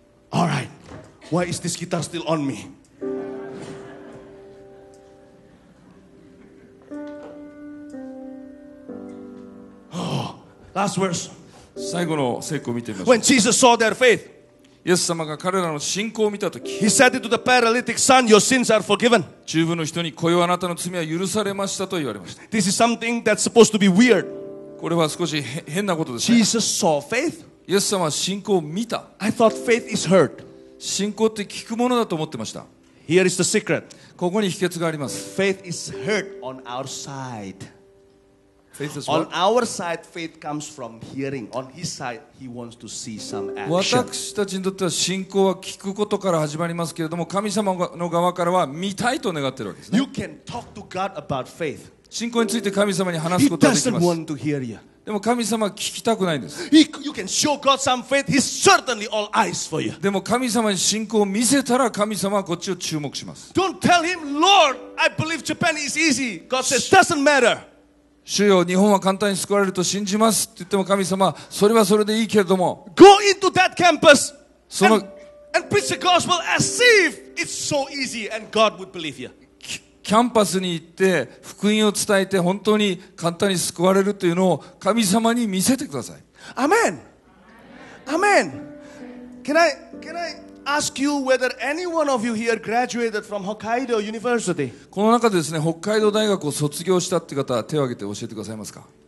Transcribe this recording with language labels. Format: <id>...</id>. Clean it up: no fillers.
<en>All right. Why is this guitar still on me? Last verse.</en> <ja>最後の聖句を見てみまし</ja> <en>ょう。When Jesus saw their faith,</en> <ja>イエス様が彼らの信仰を見たとき、</ja> <en>He said to the paralytic son, "Your sins are forgiven."</en> <ja>中風の人に、子よあなたの罪は許されましたと言われました。</ja> <en>This is something that's supposed to be weird.</en> <ja>これは少し変なことです、ね。</ja> <en>Jesus saw faith.</en> <ja>イエス様は信仰を見た。</ja> <en>I thought faith is heard.</en> <ja>信仰って聞くものだと思ってました。</ja> <en>Here is the secret.</en> <ja>ここに秘訣があります。</ja> <en>Faith is heard on our side. Faith is on our side, faith comes from hearing. On his side, he wants to see some action.</en> <ja>私たちにとっては信仰は聞くことから始まりますけれども、神様の側からは見たいと願っているわけですね。</ja> <en>You can talk to God about faith.</en> <ja>信仰について神様に話すことができます。</ja> <en>He doesn't want to hear you.</en> <ja>でも神様は聞きたくないんです。</ja> <en>You can show God some faith. He's certainly all eyes for you.</en> <ja>でも神様に信仰を見せたら神様はこっちを注目します。</ja> <en>Don't tell him, Lord, I believe Japan is easy. God says, doesn't matter.</en> <ja>主よ、日本は簡単に救われると信じますって言っても神様、それはそれでいいけれども、</ja> <en>Go into that campus</en> <ja>その</ja> <en>and preach the gospel as if it's so easy and God would believe you.</en> <ja>キャンパスに行って福音を伝えて本当に簡単に救われるというのを神様に見せてください。</ja> <en>Amen. Amen. Can I ask you whether any one of you here graduated from Hokkaido University?</en> <ja>この中でですね、北海道大学を卒業したって方は手を挙げて教えてくださいますか。</ja>